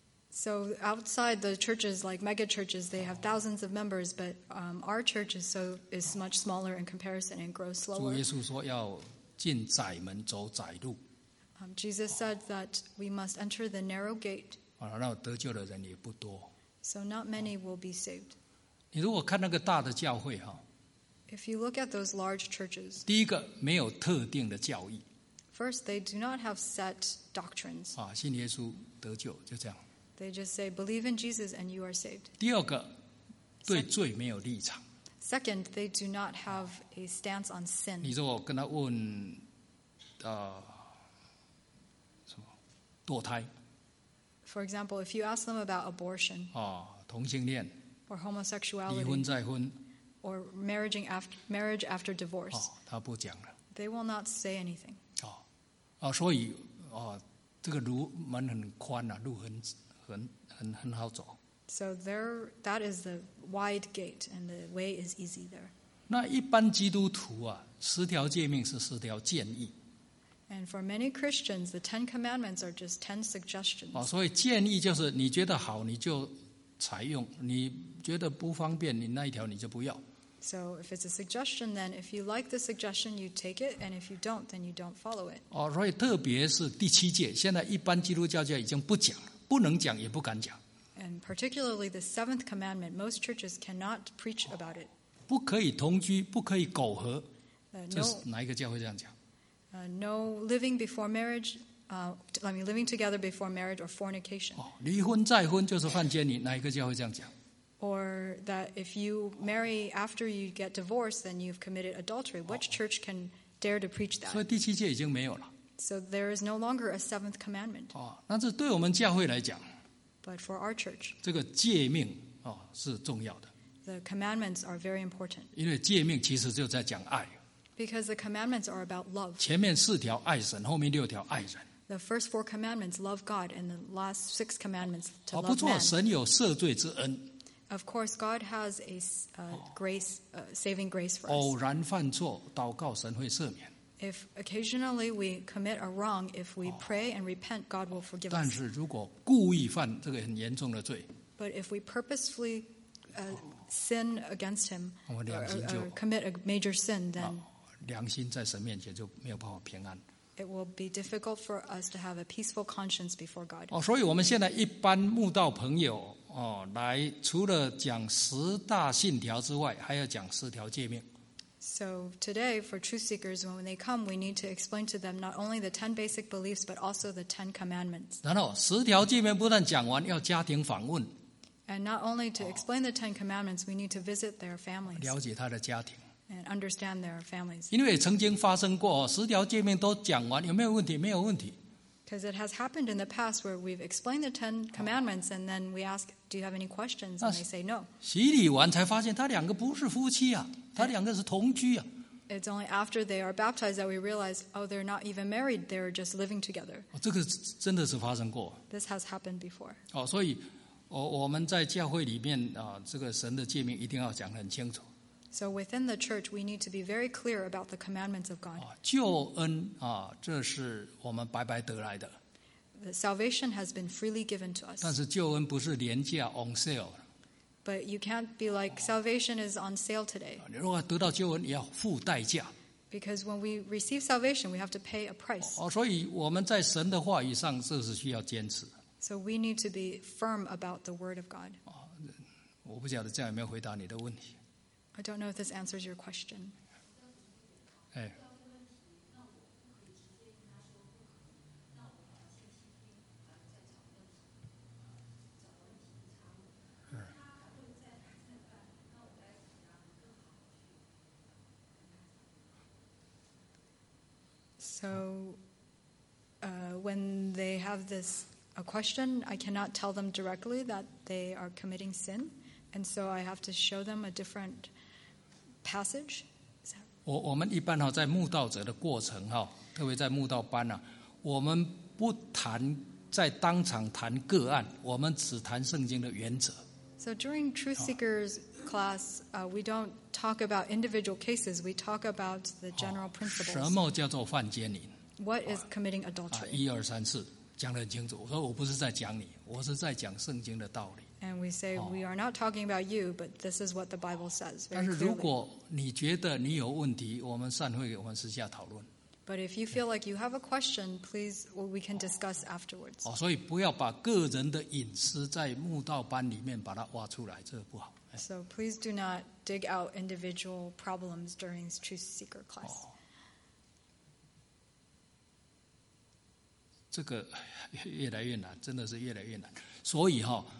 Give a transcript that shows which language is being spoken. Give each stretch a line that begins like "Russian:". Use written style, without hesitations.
English: So outside the churches, like mega churches, they have thousands of members, but our church is much smaller in comparison and grows slower.
Chinese: 主耶稣说要进窄门走窄路。
English: Jesus said that we must enter the narrow gate.
Chinese: 然后得救的人也不多。
English: So not many will be saved.
Chinese: 你如果看那个大的教会
English: If you look at those large churches,
Chinese: 第一个没有特定的教义。
English: First, they do not have set doctrines.
Chinese: 信耶稣得救就这样。
English: They just say, believe in Jesus and you are saved.
Chinese: 第二个，对罪没有立场。
English: Second, they do not have a stance on sin.
Chinese: 你说我跟他问，什么堕胎
English: ？For example, if you ask them about abortion,
Chinese: 同性恋
English: ，or homosexuality,
Chinese: 离婚再婚
English: ，or marriage after divorce,
Chinese: 他不讲了。
English: They will not say anything.
Chinese: 所以这个路门很宽啊，路很。很好走。
English: So there, that is the wide gate, and the way is easy there.
Chinese: 那一般基督徒十条诫命是十条建议。
English: And for many Christians, the Ten Commandments are just 10 suggestions.
Chinese: 所以建议就是你觉得好你就采用，你觉得不方便，你那一条你就不要。
English: So if it's a suggestion, then if you like the suggestion, you take it, and if you don't, then you don't follow it.
Chinese: 所以特别是第七诫，现在一般基督教界已经不讲了。不能讲也不敢讲。
English: particularly the seventh commandment, most churches cannot preach about it.
Chinese: 不可以同居，不可以苟合。这是哪一个教会这样讲？
English: No living before marriage, living together before marriage or fornication.
Chinese: 离婚再婚就是犯奸淫，哪一个教会这样讲？
English: Or that if you marry after you get divorced, then you've committed adultery. Which church can dare to preach that?
Chinese: 所以第七诫已经没有了。
English: So there is no longer a seventh commandment.
Chinese: 那这对我们教会来讲，
English: But for our church,
Chinese: 这个诫命是重要的。
English: The commandments are very important.
Chinese: 因为诫命其实就在讲爱。
English: Because the commandments are about love.
Chinese: 前面四条爱神，后面六条爱人。
English: The first four commandments, love God, and the last six commandments to love man.
Chinese: 不错，神有赦罪之恩。
English: Of course, God has a grace, a saving grace for us.
Chinese: 偶然犯错，祷告神会赦免。
English: If occasionally we commit a wrong, if we pray and repent, God will forgive us.
Chinese: 但是如果故意犯这个很严重的罪，
English: But if we purposefully sin against Him, or commit a major sin, then
Chinese: 良心在神面前就没有办法平安。
English: It will be difficult for us to have a peaceful conscience before God.
Chinese: 所以我们现在一般慕道朋友来除了讲十大信条之外，还要讲十条诫命。
English: So today, for truth seekers, when they come, we need to explain to them not only the 10 basic beliefs, but also the 10 commandments.
Chinese: 然后十条诫命不但讲完，要家庭访问。
English: And not only to explain the 10 commandments, we need to visit their families.
Chinese: 了解他的家庭。
English: And understand their families.
Chinese: 因为曾经发生过，十条诫命都讲完，有没有问题？没有问题。
English: Because it has happened in the past where we've explained the 10 commandments and then we ask, do you have any questions? And they say no.
Chinese: 洗礼完才发现他两个不是夫妻啊，他两个是同居啊。
English: It's only after they are baptized that we realize, oh, they're not even married, they're just living together.
Chinese: 这个真的是发生过。
English: This has happened before.
Chinese: 所以我们在教会里面这个神的诫命一定要讲很清楚。
English: So within the church, we need to be very clear about the commandments of God.
Chinese: 救恩这是我们白白得来的。
English: The salvation has been freely given to us.
Chinese: 但是救恩不是廉价
English: on sale. But you can't be like salvation is on sale today.
Chinese: 你如果得到救恩，你要付代价。
English: Because when we receive salvation, we have to pay a price.
Chinese: 所以我们在神的话语上，这是需要坚持。
English: So we need to be firm about the word of God.
Chinese: 我不晓得这样有没有回答你的问题。
English: I don't know if this answers your question. Hey. 嗯。 So, when they have this a question, I cannot tell them directly that they are committing sin, and so I have to show them a different passage.
Chinese: 我们一般在慕道者的过程特别在慕道班我们不谈在当场谈个案，我们只谈圣经的原则。
English: So during truth seekers class, we don't talk about individual cases. We talk about the general principles.
Chinese: 什么叫做犯奸淫
English: ？What is committing adultery？
Chinese: 一二三四，讲得很清楚。我不是在讲你，我是在讲圣经的道理。
English: And we say we are not talking about you, but this is what the Bible says.
Chinese: 但是如果你觉得你有问题，我们散会，我们私下讨论。
English: But if you feel like you have a question, please, well, we can discuss afterwards.
Chinese: 所以不要把个人的隐私在慕道班里面把它挖出来，这不好。
English: So please do not dig out individual problems during truth seeker class.
Chinese: 这个越来越难，真的是越来越难。所以哈。